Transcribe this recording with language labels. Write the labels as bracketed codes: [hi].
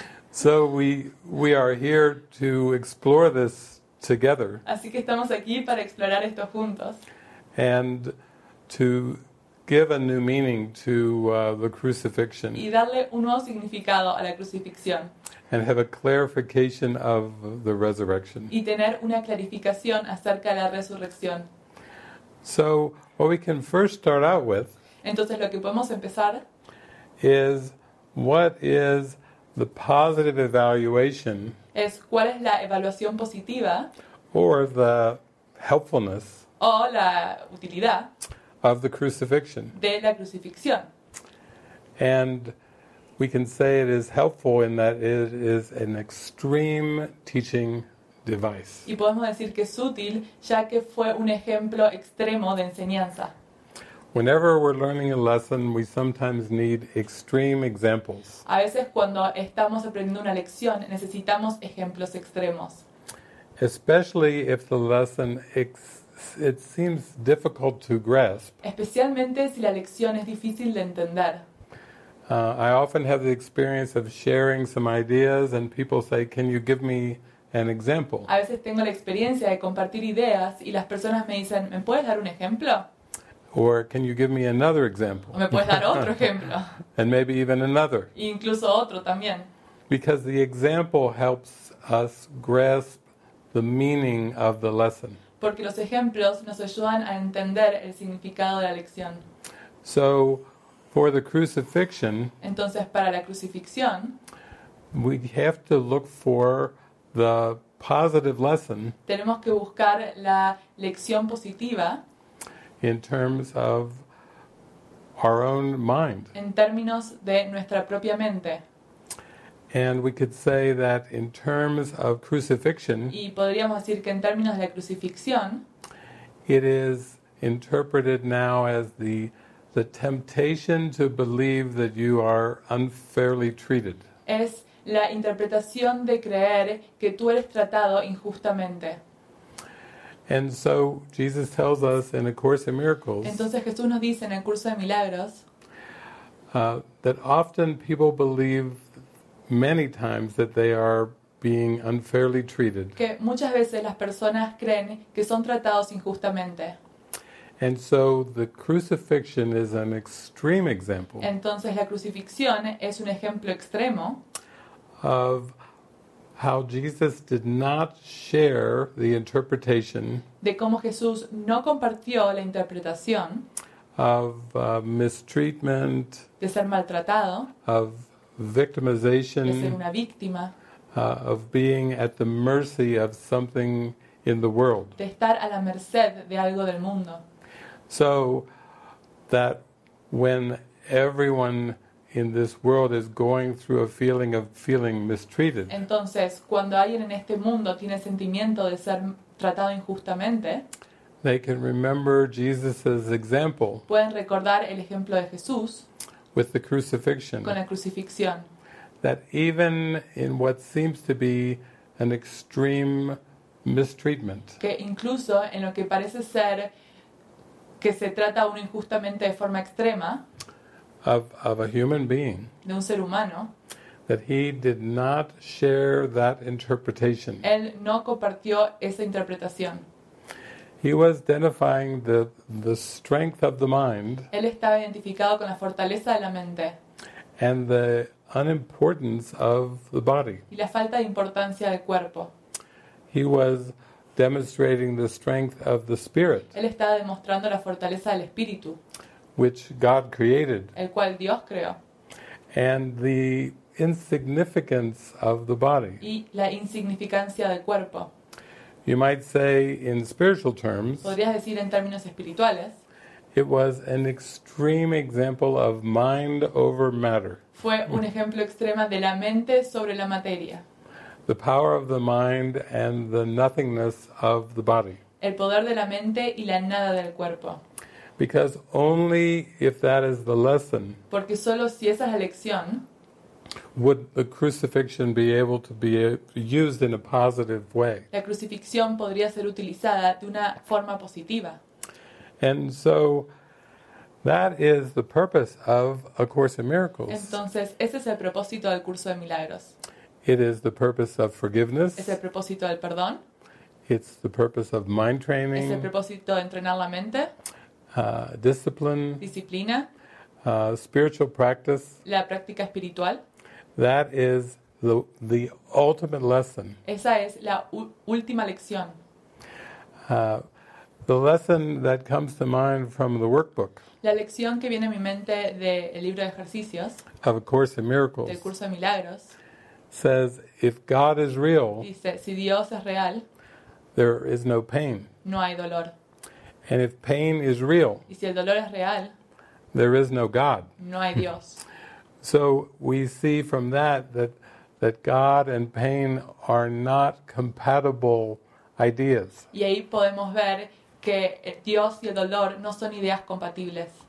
[en] So we are here to explore this together. [es] Así que estamos aquí para explorar esto juntos. [en] And to give a new meaning to the crucifixion. [es] Y darle un nuevo significado a la crucifixión. [en] And have a clarification of the resurrection. [es] Y tener una clarificación acerca de la resurrección. [en] So what we can first start out with. [es] Entonces lo que podemos empezar [en] is what is the positive evaluation. [es] Es cuál es la evaluación positiva. [en] Or the helpfulness. [es] O la utilidad. [en] Of the crucifixion. [es] De la crucifixión. [en] And we can say it is helpful in that it is an extreme teaching device. [es] Y podemos decir que es útil ya que fue un ejemplo extremo de enseñanza. [en] Whenever we're learning a lesson, we sometimes need extreme examples. [es] A veces cuando estamos aprendiendo una lección, necesitamos ejemplos extremos. [en] Especially if the lesson it seems difficult to grasp. [es] Especialmente si la lección es difícil de entender. [en] I often have the experience of sharing some ideas and people say, "Can you give me an example?" [es] A veces tengo la experiencia de compartir ideas y las personas me dicen, "¿Me puedes dar un ejemplo?" [en] Or can you give me another example? [es] ¿Me puedes dar otro ejemplo? [en] And maybe even another. [es] Y incluso otro también. [en] Because the example helps us grasp the meaning of the lesson. [es] Porque los ejemplos nos ayudan a entender el significado de la lección. [en] So, for the crucifixion, [es] entonces para la crucifixión, [en] we have to look for the positive lesson. [es] Tenemos que buscar la lección positiva. [en] In terms of our own mind. [es] En términos de nuestra propia mente. [en] And we could say that in terms of crucifixion. [es] Y podríamos decir que en términos de la crucifixión. [en] It is interpreted now as the temptation to believe that you are unfairly treated. [es] Es la interpretación de creer que tú eres tratado injustamente. [en] And so Jesus tells us in A Course in Miracles. [es] Entonces Jesús nos dice en el curso de milagros. [en] That often people believe many times that they are being unfairly treated. [es] Que muchas veces las personas creen que son tratados injustamente. [en] And so the crucifixion is an extreme example. [es] Entonces la crucifixión es un ejemplo extremo. [en] Of how Jesus did not share the interpretation. [es] De cómo Jesús no compartió la interpretación. [en] Of mistreatment. [es] De ser maltratado. [en] Of victimization. [es] De ser una víctima. [en] Of being at the mercy of something in the world. [es] De estar a la merced de algo del mundo. [en] So that when everyone in this world is going through a feeling of feeling mistreated. [es] Entonces, cuando alguien en este mundo tiene sentimiento de ser tratado injustamente, [en] they can remember Jesus's example. [es] Pueden recordar el ejemplo de Jesús. [en] With the crucifixion. [es] Con la crucifixión. [en] That even in what seems to be an extreme mistreatment. [es] Que incluso en lo que parece ser que se trata uno injustamente de forma extrema. [en] Of a human being, [es] de un ser humano, [en] that he did not share that interpretation. [es] Él no compartió esa interpretación. [en] He was identifying the strength of the mind. [es] Él estaba identificado con la fortaleza de la mente. [en] And the unimportance of the body. [es] Y la falta de importancia del cuerpo. [en] He was demonstrating the strength of the spirit. [es] Él estaba demostrando la fortaleza del espíritu. [en] Which God created. [es] El cual Dios creó. [en] And the insignificance of the body. [es] Y la insignificancia del cuerpo. [en] You might say in spiritual terms. [es] Podrías decir en términos espirituales. [en] It was an extreme example of mind over matter. [es] Fue un ejemplo extremo de la mente sobre la materia. [en] The power of the mind and the nothingness of the body. [es] El poder de la mente y la nada del cuerpo. [en] Because only if that is the lesson, [es] porque solo si esa es la lección, [en] would the crucifixion be able to be used in a positive way. [es] La crucifixión podría ser utilizada de una forma positiva. [en] And so that is the purpose of A Course in Miracles. [es] Entonces, ese es el propósito del curso de milagros. [en] It is the purpose of forgiveness. [es] Es el propósito del perdón. [en] It's the purpose of mind training. [es] Es el propósito de entrenar la mente. [en] Discipline, [es] disciplina, [en] spiritual practice, [es] la práctica espiritual. [en] That is the ultimate lesson. [es] Esa es la última lección. [en] The lesson that comes to mind from the workbook. [es] La lección que viene a mi mente del libro de ejercicios. [en] Of A Course in Miracles. [es] Del curso de milagros. [en] Says if God is real. [es] Dice si Dios es real. [en] There is no pain. [es] No hay dolor. [en] And if pain is real, [es] y si el dolor es real, [en] there is no God. [es] No hay Dios. [en] So we see from that God and pain are not compatible ideas. [es] Y ahí podemos ver que Dios y el dolor no son ideas compatibles.